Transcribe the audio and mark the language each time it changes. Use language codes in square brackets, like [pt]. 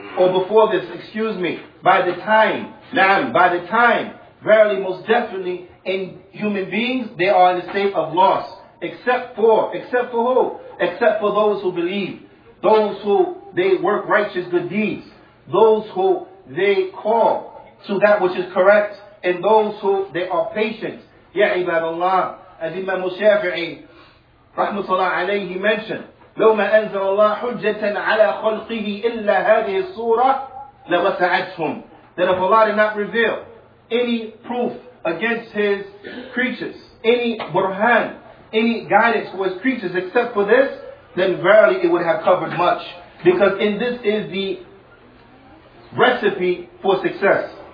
[en] Or before this, excuse me, by the time, na'am, by the time, verily, most definitely, in human beings, they are in a state of loss. Except for who? Except for those who believe. Those who they work righteous good deeds. Those who they call to that which is correct. And those who they are patient. Ya ibadallah. As Imam Shafi'i, rahmatullah alayhi, he mentioned, [ar] لو ما أنزل الله حجة على خلقه إلا هذه الصورة لوسعتهم. [en] That if Allah did not reveal any proof against His creatures, any burhan, any guidance for His creatures except for this, then verily it would have covered much. Because in this is the recipe for success.